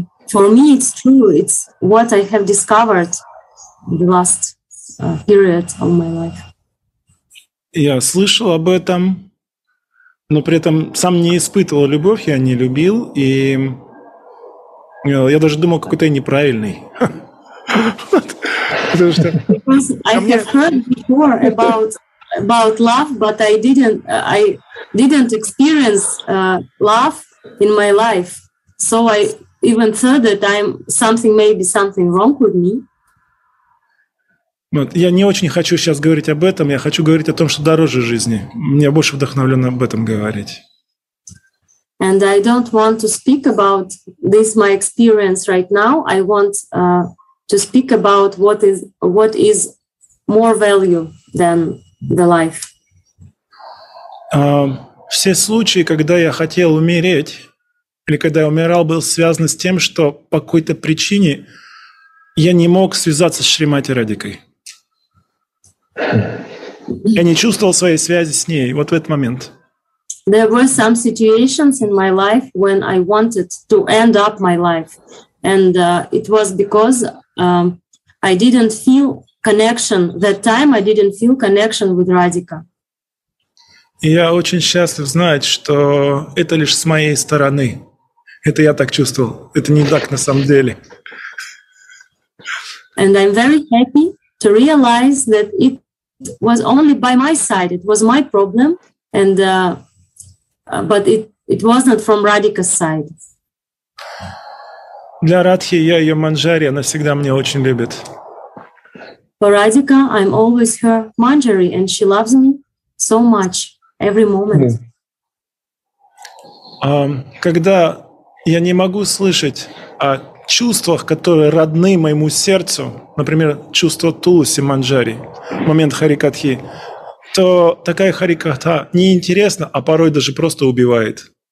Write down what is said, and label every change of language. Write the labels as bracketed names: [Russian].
[English] For me it's true. It's what I have discovered the last period of my life. [Russian] Я слышал об этом. Но при этом сам не испытывал любовь, я не любил, и я даже думал, какой-то я неправильный. Потому что [English] I have heard before about love, but I didn't experience love in my life. So I even thought that I'm something, maybe something wrong with me. [Russian] Вот. Я не очень хочу сейчас говорить об этом, я хочу говорить о том, что дороже жизни. Мне больше вдохновлено об этом говорить. [English] And I don't want to speak about this my experience right now. I want to speak about what is more value than the life. [Russian] Все случаи, когда я хотел умереть, или когда я умирал, был связан с тем, что по какой-то причине я не мог связаться с Шримати Радикой. Я не чувствовал своей связи с ней вот в этот момент. [English] There were some situations in my life when I wanted to end up my life. And it was because I didn't feel connection. That time I didn't feel connection with Radhika. [Russian] И я очень счастлив знать, что это лишь с моей стороны. Это я так чувствовал. Это не так на самом деле. [English] And I'm very happy to realize that it was only by my side. It was my problem, and but it was not from Radhika's side. [Russian] Для Радхи я ее манджари, она всегда меня очень любит. [English] For Radhika, I'm always her manjari, and she loves me so much every moment. [Russian] Когда я не могу слышать о чувствах, которые родны моему сердцу, например, чувство Тулуси Манджари, момент Харикатхи, то такая Харикатха неинтересна, а порой даже просто убивает.